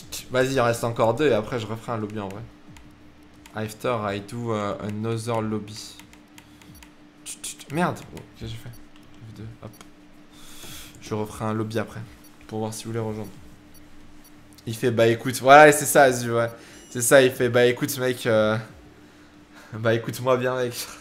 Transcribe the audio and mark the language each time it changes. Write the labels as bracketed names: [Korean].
[French] Vas-y, il reste encore deux et après je referai un lobby en vrai. [English] After I do another lobby. [French] Merde, bro, qu'est-ce que j'ai fait? F2, hop. Je referai un lobby après. Pour voir si vous voulez rejoindre. Il fait bah écoute, voilà, c'est ça, Azu, ouais. C'est ça, il fait bah écoute, mec. Bah écoute-moi bien, mec.